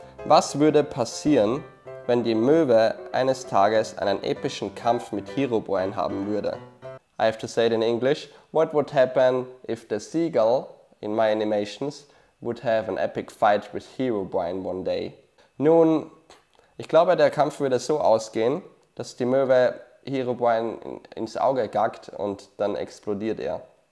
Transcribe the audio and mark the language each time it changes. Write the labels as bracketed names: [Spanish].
[German] Was würde passieren, wenn die Möwe eines Tages einen epischen Kampf mit Herobrine haben würde? [English] I have to say it in English. What would happen if the seagull in my animations would have an epic fight with Herobrine one day? [German] Nun, ich glaube, der Kampf würde so ausgehen, dass die Möwe Herobrine ins Auge gackt und dann explodiert er.